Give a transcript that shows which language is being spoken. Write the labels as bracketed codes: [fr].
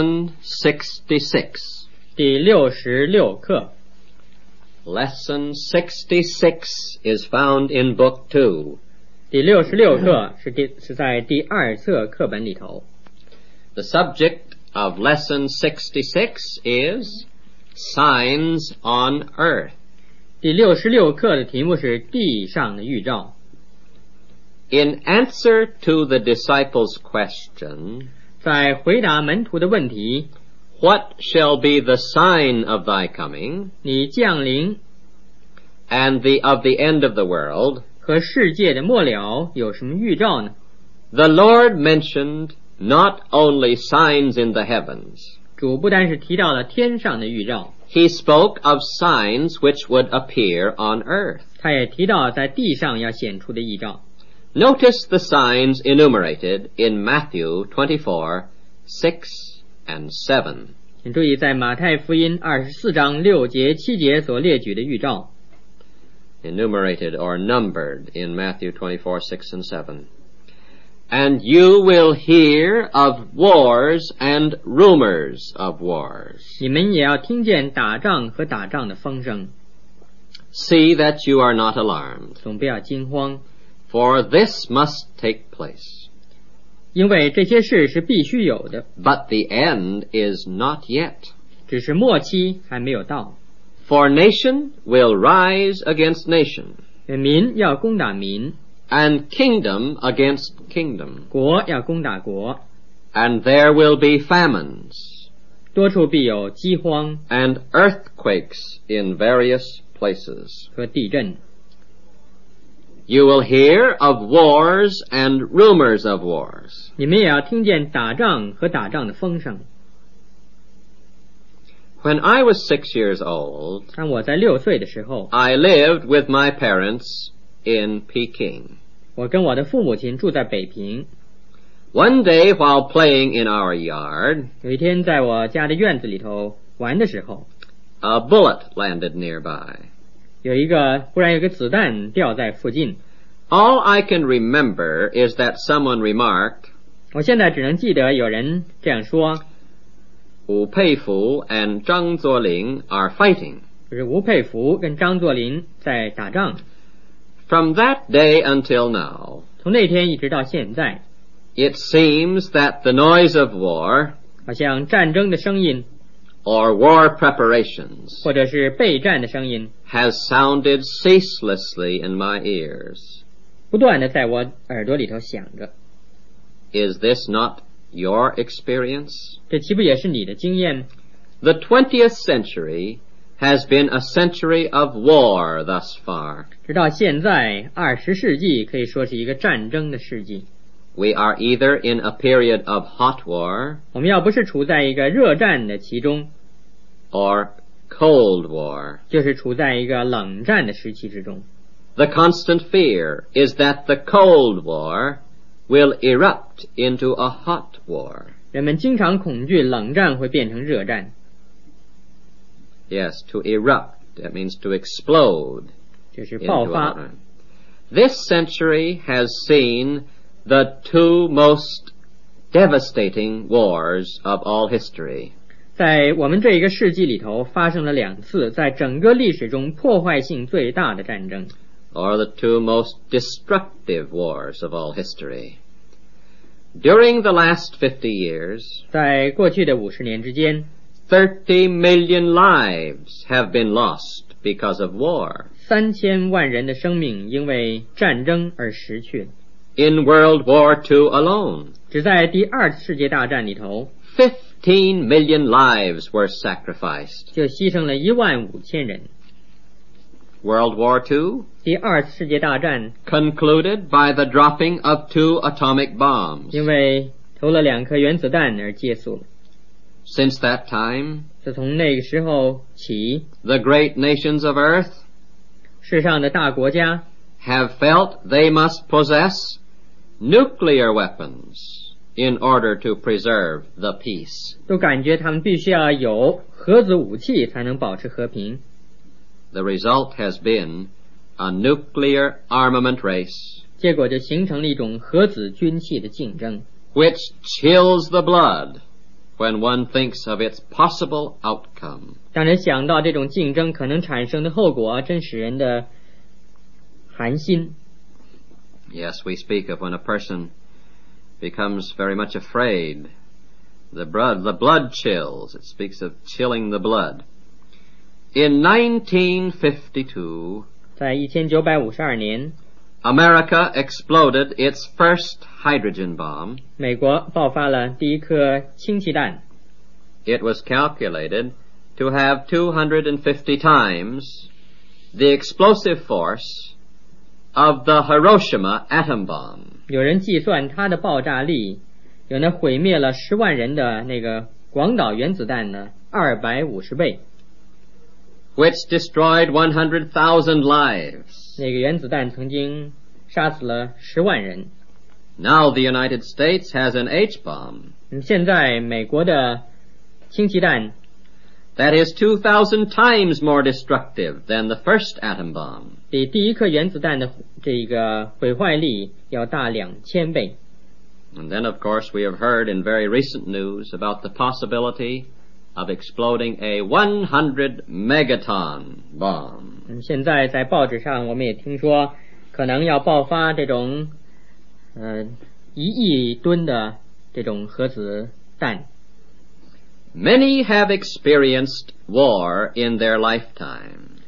[en] Lesson 66， [zh] 第六十六课。 [en] Lesson 66 is found in book 2， [zh] 第六十六课是在第二册课本里头。 [en] The subject of lesson 66 is Signs on Earth， [zh] 第六十六课的题目是地上的预兆。 [en] In answer to the disciples' question， [zh] 在回答门徒的问题， [en] What shall be the sign of thy coming， [zh] 你降临， [en] and the of the end of the world， [zh] 和世界的末了有什么预兆呢？ [en] The Lord mentioned not only signs in the heavens， [zh] 主不但是提到了天上的预兆， [en] He spoke of signs which would appear on earth， [zh] 他也提到在地上要显出的预兆。 [en] Notice the signs enumerated in Matthew 24:6-7. [zh] 请注意在马太福音24:6-7所列举的预兆。 [en] Enumerated or numbered in Matthew 24:6-7. And you will hear of wars and rumors of wars. [zh] 你们也要听见打仗和打仗的风声。 [en] See that you are not alarmed. [zh] 总不要惊慌。 [en] For this must take place， [zh] 因为这些事是必须有的。 [en] But the end is not yet， [zh] 只是末期还没有到。 [en] For nation will rise against nation， [zh] 民要攻打民。 [en] And kingdom against kingdom， [zh] 国要攻打国。 [en] And there will be famines， [zh] 多处必有饥荒。 [en] And earthquakes in various places， [zh] 和地震。 [en] You will hear of wars and rumors of wars， [zh] 你们也要听见打仗和打仗的风声。 [en] When I was 6 years old， [zh] 当我在六岁的时候， [en] I lived with my parents in Peking， [zh] 我跟我的父母亲住在北平。 [en] One day while playing in our yard， [zh] 有一天在我家的院子里头玩的时候， [en] A bullet landed nearby， [zh] 有一个忽然有个子弹掉在附近。 [en] All I can remember is that someone remarked， [zh] 我现在只能记得有人这样说， [en] 吴佩孚 and 张作霖 are fighting， [zh] 就是吴佩孚跟张作霖在打仗。 [en] From that day until now， [zh] 从那天一直到现在， [en] It seems that the noise of war， [zh] 好像战争的声音， [en] or war preparations， [zh] 或者是备战的声音， [en] has sounded ceaselessly in my ears， [zh] 不断地在我耳朵里头响着。 [en] Is this not your experience？ [zh] 这岂不也是你的经验？ [en] The 20th century has been a century of war thus far， [zh] 直到现在二十世纪可以说是一个战争的世纪。 [en] We are either in a period of hot war， [zh] 我们要不是处在一个热战的其中， [en] or cold war， [zh] 就是处在一个冷战的时期之中。 [en] The constant fear is that the cold war will erupt into a hot war， [zh] 人们经常恐惧冷战会变成热战。 [en] Yes, to erupt, that means to explode， [zh] 就是爆发。 [en] This century has seen the two most devastating wars of all history. [zh] 在我们这一个世纪里头发生了两次在整个历史中破坏性最大的战争。 [en] Or the two most destructive wars of all history. During the last 50 years, [zh] 在过去的50年之间 [en] 30 million lives have been lost because of war. [zh] 3000万人的生命因为战争而失去。 [en] In World War II alone, [zh] 只在第二次世界大战里头 [en] 15 million lives were sacrificed. [zh] 就牺牲了15000人。 [en] World War II, [zh] 第二次世界大战 [en] concluded by the dropping of two atomic bombs. [zh] 因为投了两颗原子弹而结束了。 [en] Since that time, [zh] 自从那个时候起 [en] the great nations of earth, [zh] 世上的大国家 [en] have felt they must possess nuclear weapons in order to preserve the peace. [zh] 都感觉他们必须要有核子武器才能保持和平。 [en] The result has been a nuclear armament race, [zh] 结果就形成了一种核子军器的竞争 [en] which chills the blood when one thinks of its possible outcome. [zh] 当人想到这种竞争可能产生的后果，真使人的寒心。 [en] Yes, we speak of when a person becomes very much afraid, the blood chills, it speaks of chilling the blood. In 1952, [zh] 在1952年 [en] America exploded its first hydrogen bomb. [zh] 美国爆发了第一颗氢气弹。 [en] It was calculated to have 250 times the explosive force of the Hiroshima atom bomb. [zh] 有人计算它的爆炸力有那毁灭了十万人的那个广岛原子弹的250倍。 [en] Which destroyed 100,000 lives. [zh] 那个原子弹曾经杀死了十万人。 [en] Now the United States has an H-bomb. [zh] 现在美国的氢气弹 [en] that is 2,000 times more destructive than the first atom bomb. [zh] 比第一颗原子弹的这个毁坏力要大2000倍。 [en] And then, of course, we have heard in very recent news about the possibility. Of exploding a 100 megaton bomb. [zh] 现在在报纸上我们也听说可能要爆发这种一亿吨的这种核子弹。 [en] Many have experienced war in their lifetime.